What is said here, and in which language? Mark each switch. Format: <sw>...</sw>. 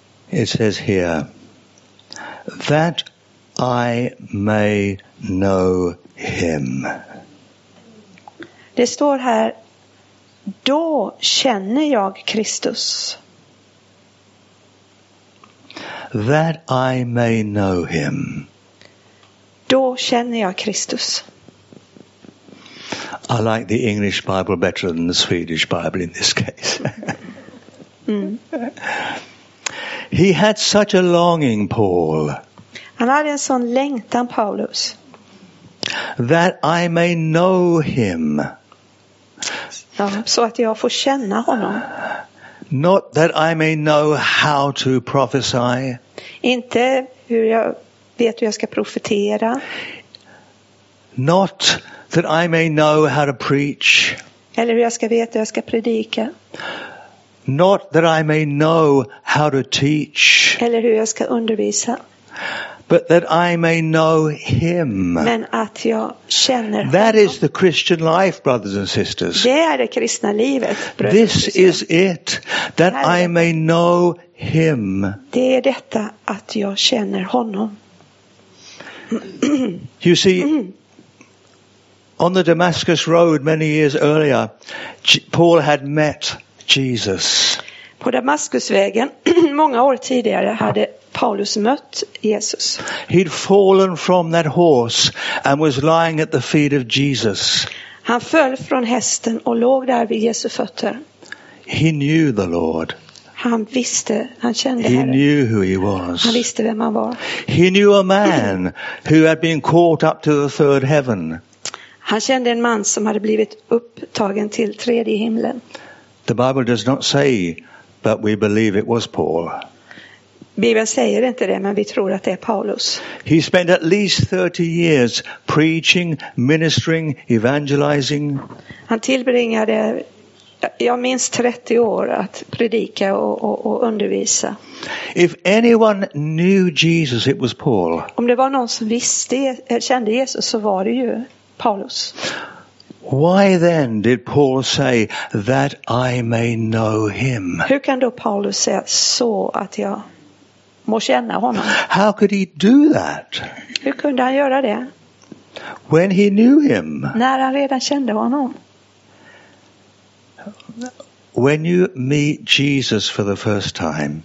<en>It says here that I may know him.</en> <sv>Det står här, då känner jag Kristus.</sv> <en>That I may know him.</en> <sv>Då känner jag Kristus.</sv> <en>I like the English Bible better than the Swedish Bible in this case. He had such a longing, Paul.</en> <sv>Han hade en sån längtan, Paulus.</sv> <en>That I may know him.</en> <sv>Ja, så att jag får känna honom.</sv> <en>Not that I may know how to prophesy.</en> <sv>Inte hur jag vet hur jag ska profetera.</sv> <en>Not that I may know how to preach.</en> <sv>Eller hur jag ska veta hur jag ska predika.</sv> <en>Not that I may know how to teach.</en> <sv>Eller hur jag ska undervisa.</sv> <en>But that I may know him.</en> <sv>Men att jag känner honom.</sv> <en>That is the Christian life, brothers and sisters.</en> <sv>Det är det kristna livet, bröder och systrar.</sv> <en>This is it. That I may know him.</en> <sv>Det är detta att jag känner honom.</sv> <en>You see, on the Damascus road many years earlier, Paul had met Jesus.</en> <sv>På Damaskusvägen många år tidigare hade Paulus mött Jesus.</sv> <en>He'd fallen from that horse and was lying at the feet of Jesus.</en> <sv>Han föll från hästen och låg där vid Jesu fötter.</sv> <en>He knew the Lord.</en> <sv>Han visste, han kände</sv> <en>Herren. He knew who he was.</en> <sv>Han visste vem han var.</sv> <en>He knew a man who had been caught up to the third heaven.</en> <sv>Han kände en man som hade blivit upptagen till tredje himlen.</sv> <en>The Bible does not say, but we believe it was Paul.</en> <sv>Bibeln säger inte det, men vi tror att det är Paulus.</sv> <en>He spent at least 30 years preaching, ministering, evangelizing.</en> <sv>Han tillbringade, jag minns 30 år att predika och undervisa.</sv> <en>If anyone knew Jesus, it was Paul.</en> <sv>Om det var någon som visste, kände Jesus, så var det ju Paulus.</sv> <en>Why then did Paul say that I may know him?</en> <sv>Hur kan då Paulus säga så att jag må känna honom?</sv> <en>How could he do that?</en> <sv>Hur kunde han göra det?</sv> <en>When he knew him.</en> <sv>När han redan kände honom.</sv> <en>When you meet Jesus for the first time.</en>